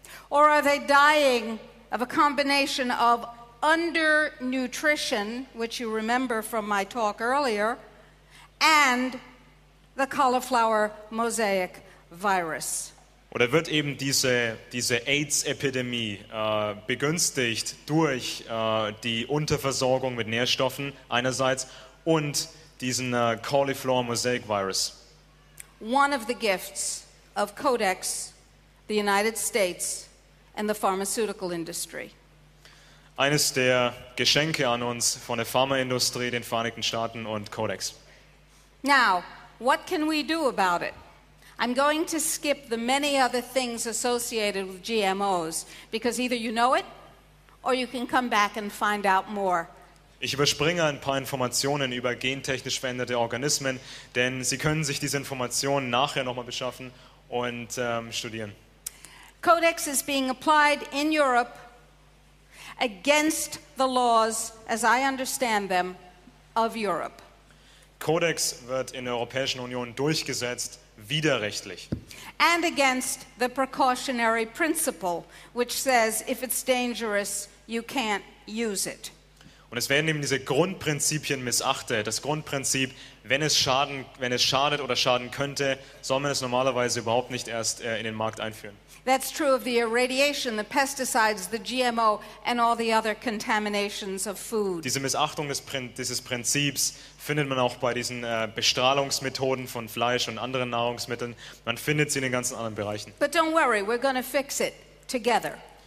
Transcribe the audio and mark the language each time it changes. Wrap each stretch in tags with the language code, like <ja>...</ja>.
<en>Or are they dying of a combination of undernutrition, which you remember from my talk earlier, and the cauliflower mosaic virus?</en> <de>Oder wird eben diese AIDS-Epidemie begünstigt durch die Unterversorgung mit Nährstoffen einerseits und diesen cauliflower mosaic virus?</de> <en>One of the gifts of Codex, the United States, and the pharmaceutical industry.</en> <de>Eines der Geschenke an uns von der Pharmaindustrie, den Vereinigten Staaten und Codex.</de> <en>Now, what can we do about it? I'm going to skip the many other things associated with GMOs because either you know it or you can come back and find out more.</en> <de>Ich überspringe ein paar Informationen über gentechnisch veränderte Organismen, denn Sie können sich diese Informationen nachher nochmal beschaffen und studieren.</de> <en>Codex is being applied in Europe against the laws, as I understand them, of Europe.</en> <de>Codex wird in der Europäischen Union durchgesetzt, widerrechtlich.</de> <en>And against the precautionary principle, which says if it's dangerous, you can't use it.</en> <de>Und es werden eben diese Grundprinzipien missachtet. Das Grundprinzip, wenn es schadet oder schaden könnte, soll man es normalerweise überhaupt nicht erst in den Markt einführen.</de> <en>That's true of the irradiation, the pesticides, the GMO and all the other contaminations of food.</en> <de>Diese Missachtung dieses Prinzips findet man auch bei diesen Bestrahlungsmethoden von Fleisch und anderen Nahrungsmitteln. Man findet sie in den ganzen anderen Bereichen.</de> <en>But don't worry, we're going to fix it together.</en>